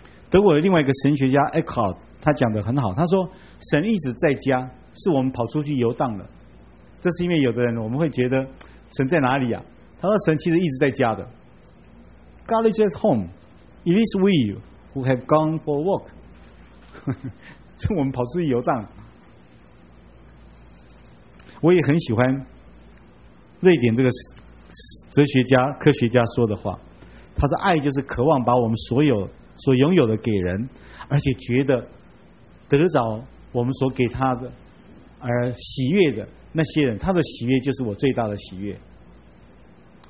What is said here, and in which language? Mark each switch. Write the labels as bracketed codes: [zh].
[zh] 德国的另外一个神学家 Eckhart 他讲得很好，他说神一直在家，是我们跑出去游荡了。这是因为有的人我们会觉得神在哪里啊？他说神其实一直在家的。 [en] God is at home. It is we who have gone for a walk. [zh] 是我们跑出去游荡。我也很喜欢瑞典这个哲学家、科学家说的话。他说：“爱就是渴望把我们所有所拥有的给人，而且觉得得着我们所给他的而喜悦的那些人，他的喜悦就是我最大的喜悦。”